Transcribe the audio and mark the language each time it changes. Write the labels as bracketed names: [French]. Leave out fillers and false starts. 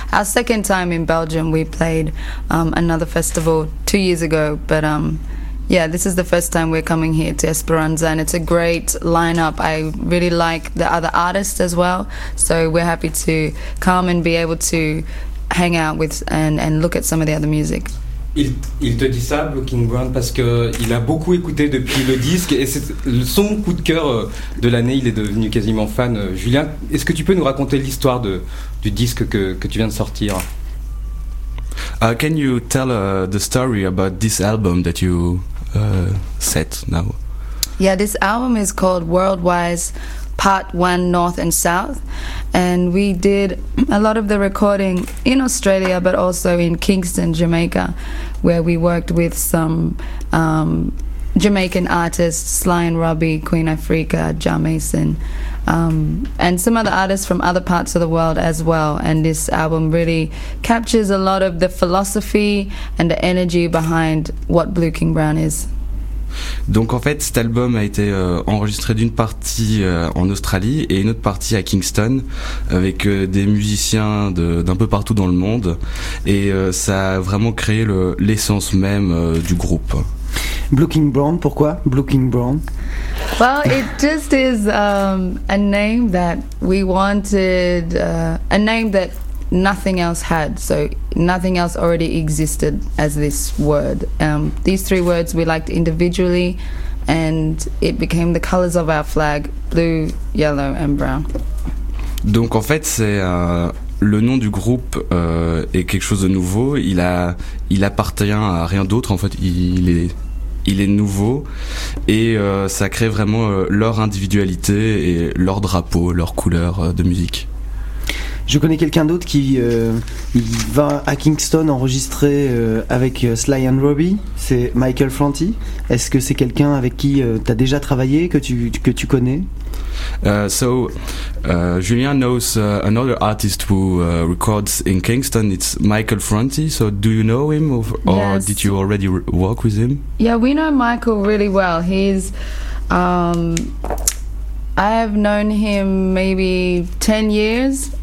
[English] Our second time in Belgium, we played another festival 2 years ago, but yeah, this is the first time we're coming here to Esperanza and it's a great lineup. I really like the other artists as well, so we're happy to come and be able to hang out with and look at some of the other music. [French] Il te dit ça, Blue King Brown, parce qu'il a beaucoup écouté depuis le disque et c'est son coup de cœur de l'année, il est devenu quasiment fan. Julien, est-ce que tu peux nous raconter l'histoire du disque que tu viens de sortir? [English] Can you tell the story about this album that you set now? Yeah, this album is called Worldwise Part 1 North and South. And we did a lot of the recording in Australia, but also in Kingston, Jamaica, where we worked with some Jamaican artists, Sly and Robbie, Queen Afrika, Ja Mason, and some other artists from other parts of the world as well. And this album really captures a lot of the philosophy and the energy behind what Blue King Brown is. [French] Donc en fait cet album a été enregistré d'une partie en Australie et une autre partie à Kingston avec des musiciens d'un peu partout dans le monde et ça a vraiment créé l'essence même du groupe. Blue King Brown, pourquoi Blue King Brown? [English] Well, it just is a name that we wanted, a name that nothing else had, so nothing else already existed as this word. These three words we liked individually and it became the colors of our flag, blue, yellow and brown. [French] Donc en fait c'est le nom du groupe est quelque chose de nouveau, il appartient à rien d'autre en fait, il est nouveau et ça crée vraiment leur individualité et leur drapeau, leur couleur de musique. Je connais quelqu'un d'autre qui va à Kingston enregistrer avec Sly and Robbie, c'est Michael Franti. Est-ce que c'est quelqu'un avec qui tu as déjà travaillé, que tu connais? [English] So Julien knows another artist who records in Kingston, it's Michael Franti. So do you know him or yes. Did you already work with him? Yeah, we know Michael really well. He's I have known him maybe 10 years.